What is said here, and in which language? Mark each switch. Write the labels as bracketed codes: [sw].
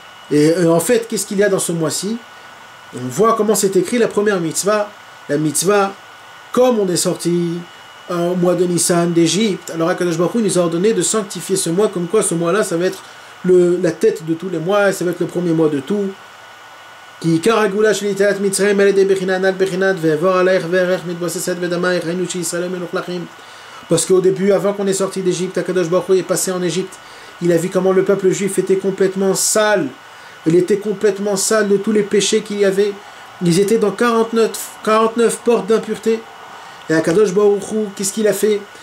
[fr] Et en fait, qu'est-ce qu'il y a dans ce mois-ci? On voit comment c'est écrit la première mitzvah, la mitzvah, comme on est sorti au mois de Nissan d'Égypte. Alors, Akadosh Baruch Hu nous a ordonné de sanctifier ce mois, comme quoi ce mois-là, ça va être la tête de tous les mois, ça va être le premier mois de tout. [he] כי עיקר הגאולה של יציאת מצרים על ידי בחינה הנ"ל בחינת ועבור עלייך וערך מתבוססת בדמייך ראינו שישראל היו מלוכלכים. [fr] Parce qu'au début, avant qu'on ait sorti d'Égypte, Akadosh Baruch Hu est passé en Égypte. Il a vu comment le peuple juif était complètement sale. Il était complètement sale de tous les péchés qu'il y avait. Ils étaient dans 49 portes d'impureté. Et Akadosh Baruch Hu, qu'est-ce qu'il a fait?